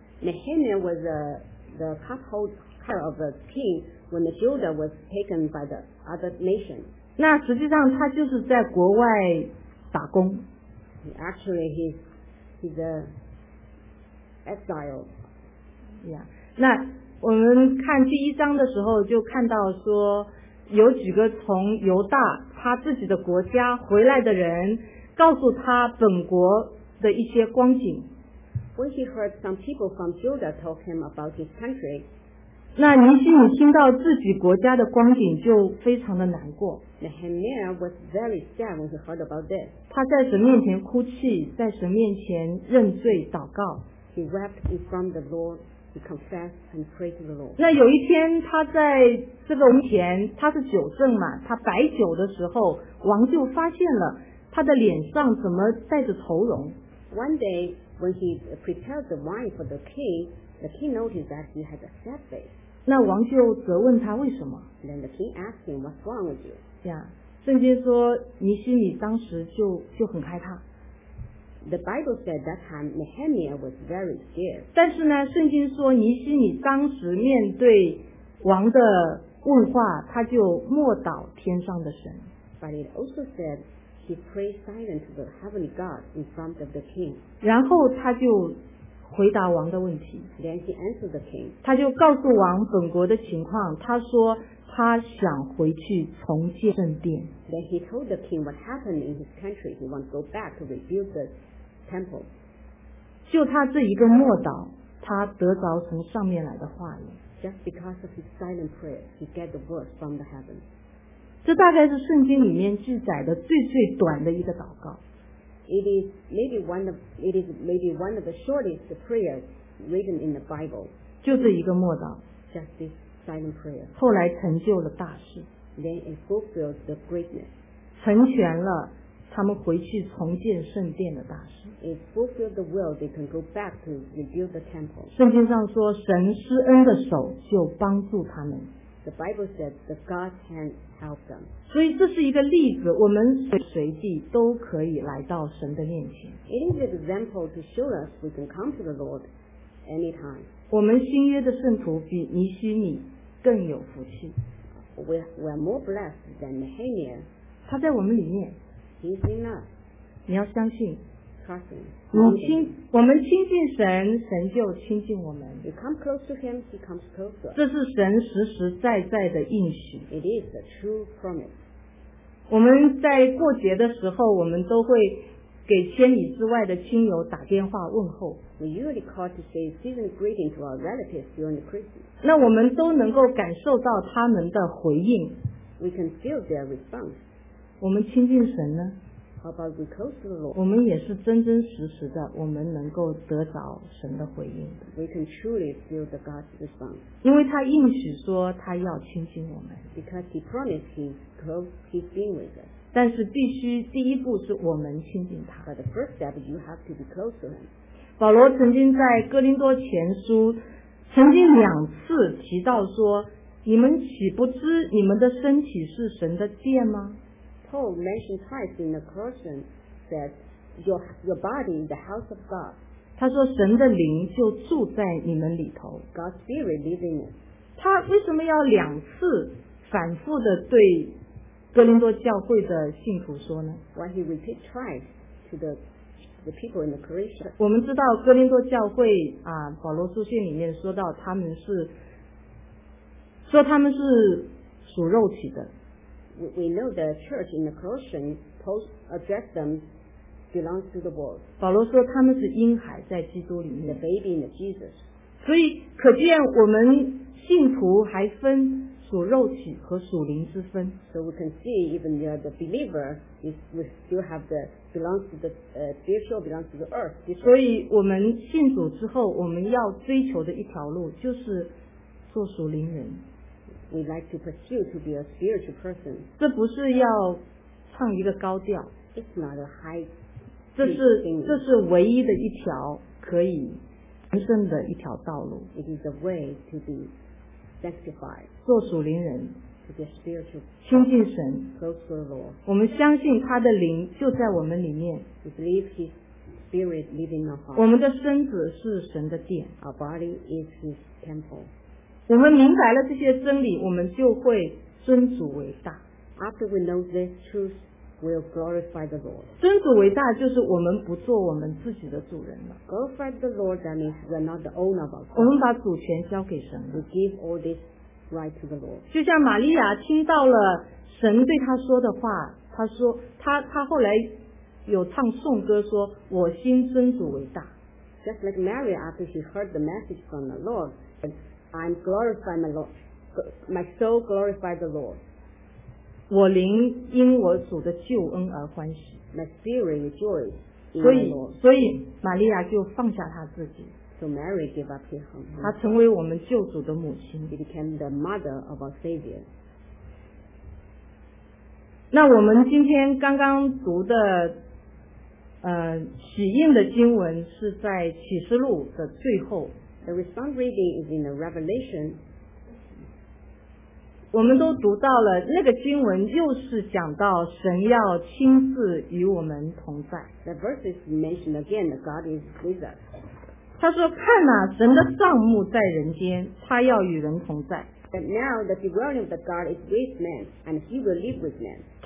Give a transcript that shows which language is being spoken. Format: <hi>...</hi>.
<en>Nehemiah was the cupholder of the king when the Judah was taken by the other nation.</en> <zh>那实际上他就是在国外打工。</zh> <en>Actually, he's a exile. Yeah.</en> <zh>那我们看第一章的时候就看到说有几个从犹大他自己的国家回来的人告诉他本国的一些光景。</zh> <en>When he heard some people from Judah told him about his country,</en> <zh>那尼希米听到自己国家的光景就非常的难过。</zh> <en>Nehemiah was very sad when he heard about this.</en> <zh>他在神面前哭泣，在神面前认罪祷告。</zh> <en>He wept in front of the Lord. He confessed and prayed to the Lord.</en> <zh>那有一天他在这个农田，他是酒政嘛，他摆酒的时候王就发现了他的脸上怎么带着愁容。</zh> <en>One day when he prepared the wine for the king noticed that he had a sad face.</en> <zh>那王就责问他为什么。</zh> <en>Then the king asked him what's wrong with you.</en> <zh>圣经说尼希米当时就很害怕。</zh> <en>The Bible said that time Nehemiah was very scared.</en> <zh>但是呢，圣经说尼希米当时面对王的问话，他就默祷天上的神。</zh> <en>But it also said he prayed silent to the heavenly God in front of the king.</en> <zh>然后他就回答王的问题。</zh> <en>Then he answered the king.</en> <zh>他就告诉王本国的情况，他说他想回去重建圣殿。</zh> <en>Then he told the king what happened in his country. He wants to go back to rebuild the temple.</en> <zh>就他这一个默祷，他得着从上面来的话语。</zh> <en>Just because of his silent prayer, he get the word from the heaven.</en> <zh>这大概是圣经里面记载的最最短的一个祷告。</zh> <en>It is maybe one of the shortest prayers written in the Bible.</en> <zh>就这一个默祷。</zh> <en>Just this silent prayer.</en> <zh>后来成就了大事。</zh> <en>Then it fulfilled the greatness.</en> <zh>成全了他们回去重建圣殿的大事。</zh> <en>It fulfilled the will they can go back to rebuild the temple.</en> <zh>圣经上说，神施恩的手就帮助他们。</zh> <en>The Bible said the God's hand helped them.</en> <zh>所以这是一个例子，我们随地都可以来到神的面前。</zh> <en>It is an example to show us we can come to the Lord anytime.</en> <zh>我们新约的圣徒比尼希米更有福气。</zh> <en>We are more blessed than Nehemiah.</en> <zh>他在我们里面。</zh> <en>He's in us.</en> <zh>你要相信。</zh> <en>Trust him.</en> <zh>我们亲近神，神就亲近我们。</zh> <en>You come close to him, he comes closer.</en> <zh>这是神实实在在的应许。</zh> <en>It is the true promise.</en> <zh>我们在过节的时候，我们都会给千里之外的亲友打电话问候。</zh> <en>We usually call to say season greeting to our relatives during the Christmas.</en> <zh>那我们都能够感受到他们的回应。</zh> <en>We can feel their response.</en> <zh>我们亲近神呢？</zh> <en>How about we close to the Lord?</en> <zh>我们也是真真实实的，我们能够得着神的回应。</zh> <en>We can truly feel the God's response.</en> <zh>因为他应许说他要亲近我们。</zh> <en>Because he promised he's close, he's been with us.</en> <zh>但是必须第一步是我们亲近他。</zh> <en>But the first step, you have to be close to him.</en> <zh>保罗曾经在哥林多前书曾经两次提到说，你们岂不知你们的身体是神的殿吗？</zh> <en>Paul mentioned twice in the Colossians that your body is the house of God.</en> <zh>他说神的灵就住在你们里头。</zh> <en>God's spirit lives in you.</en> <zh>他为什么要两次反复的对哥林多教会的信徒说呢？</zh> <en>Why he repeat twice to the people in the Corinthian?</en> <zh>我们知道哥林多教会啊，保罗书信里面说到他们是说他们是属肉体的。</zh> <en>We know the church in the Corinthian post address them belongs to the world.</en> <zh>保罗说他们是婴孩在基督里面。</zh> <en>The baby in the Jesus.</en> <zh>所以可见我们信徒还分属肉体和属灵之分。</zh> <en>So we can see even the believer is we still have the belongs to the spiritual belongs to the earth.</en> <zh>所以我们信主之后，我们要追求的一条路就是做属灵人。</zh> <en>We like to pursue to be a spiritual person.</en> <zh>这不是要唱一个高调。</zh> <en>It's not a high.</en> <zh>这是唯一的一条可以人生的一条道路。</zh> <en>It is a way to be. Sanctified,</en> <zh>做属灵人</zh> <en>to be spiritual,</en> <zh>亲近神</zh> <en>close to the Lord.</en> <zh>我们相信他的灵就在我们里面</zh> <en>We believe his spirit living in our heart.</en> <zh>我们的身子是神的殿</zh> <en>Our body is his temple.</en> <zh>我们明白了这些真理我们就会尊主伟大</zh> <en>After we know this truth, we'll glorify the Lord.</en> <zh>尊主伟大就是我们不做我们自己的主人了</zh> <en>Glorify the Lord, that means we're not the owner of our God.</en> <zh>我们把主权交给神了</zh> <en>We give all this right to the Lord.</en> <zh>就像玛利亚听到了神对她说的话她说她后来有唱颂歌说我心尊主伟大</zh> <en>Just like Mary after she heard the message from the Lord I'm glorifying my Lord My soul glorify the Lord.</en> <zh>我灵因我主的救恩而欢喜</zh> <en>My spirit rejoices</en> <zh>所以玛利亚就放下她自己</zh> <en>So Mary gave up her home</en> <zh>她成为我们救主的母亲</zh> <en>She became the mother of our Savior</en> <zh>那我们今天刚刚读的喜印的经文是在启示录的最后</zh> <en>The response reading is in the Revelation</en> <zh>我们都读到了那个经文就是讲到神要亲自与我们同在</zh> <en>The verse is mentioned again that God is with us</en> <zh>他说看啊神的帐幕在人间他要与人同在</zh> <en>But now the dwelling of the God is with man and he will live with man</en>